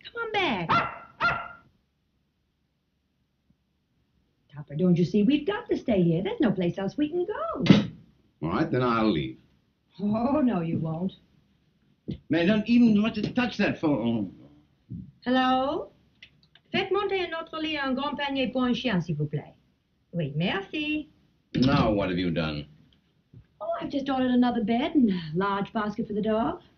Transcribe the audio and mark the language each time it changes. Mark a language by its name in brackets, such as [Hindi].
[English] Come on back. Toppa, don't you see? We've got to stay here. There's no place else we can go. All right, then I'll leave. Oh, no, you won't. Man, don't even want to touch that phone. Hello? [French] Faites monter un autre lit, un grand panier pour un chien, s'il vous plaît. Oui, merci. [English] Now, what have you done? Oh, I've just ordered another bed and a large basket for the dog.